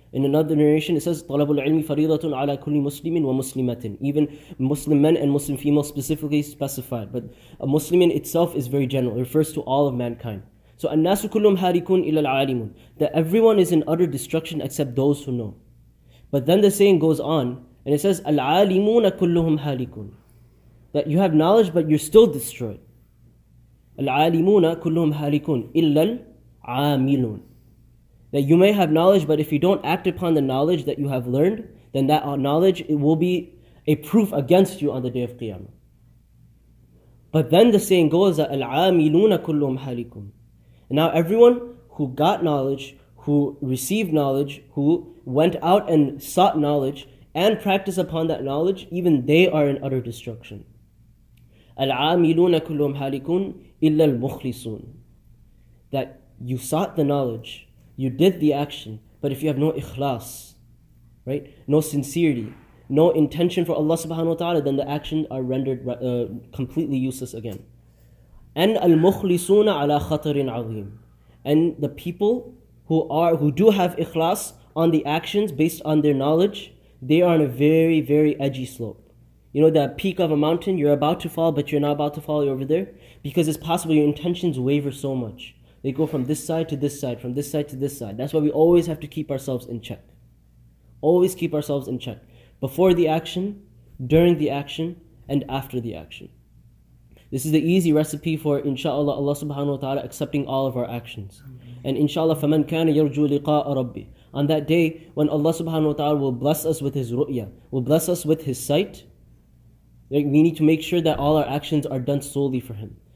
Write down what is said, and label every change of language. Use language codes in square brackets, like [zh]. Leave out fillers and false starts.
[en] In another narration, it says, [ar] طَلَبُ الْعِلْمِ فَرِيضَةٌ عَلَى كُلِّ مُسْلِمٍ وَمُسْلِمَةٍ. [en] Even Muslim men and Muslim females specifically specified. But a Muslim in itself is very general. It refers to all of mankind. [ar] So, النَّاسُ كُلُّهُمْ هَارِكُونَ إِلَّا الْعَالِمُونَ. [en] That everyone is in utter destruction except those who know. But then the saying goes on, and it says, [ar] الْعَالِمُونَ كُلُّهُمْ هَارِكُونَ. [en] That you have knowledge, but you're still destroyed. [ar] الْعَالِمُونَ كُلُّهُمْ هَارِكُونَ إِلَّا الْعَامِلُونَ. [en] That you may have knowledge, but if you don't act upon the knowledge that you have learned, then that knowledge, it will be a proof against you on the day of Qiyamah. But then the saying goes that al-amiluna kulluhum halikum. And now everyone who got knowledge, who received knowledge, who went out and sought knowledge and practiced upon that knowledge, even they are in utter destruction. [ar] العاملون كلهم هالكون إلا المخلصون. [en] That you sought the knowledge, you did the action, but if you have no ikhlas, right, no sincerity, no intention for Allah subhanahu wa ta'ala, then the actions are rendered completely useless again. [ar] And المخلصون على خطر عظيم. [en] And the people who do have ikhlas on the actions based on their knowledge, they are on a very, very edgy slope. You know, that peak of a mountain, you're about to fall, but you're not about to fall, you're over there. Because it's possible your intentions waver so much. They go from this side to this side, from this side to this side. That's why we always have to keep ourselves in check. Always keep ourselves in check. Before the action, during the action, and after the action. This is the easy recipe for, inshallah, Allah subhanahu wa ta'ala accepting all of our actions. [ar] And inshallah, فَمَنْ كَانَ يَرْجُو لِقَاءَ رَبِّي. [en] On that day, when Allah subhanahu wa ta'ala will bless us with His ru'ya, will bless us with His sight, like we need to make sure that all our actions are done solely for Him.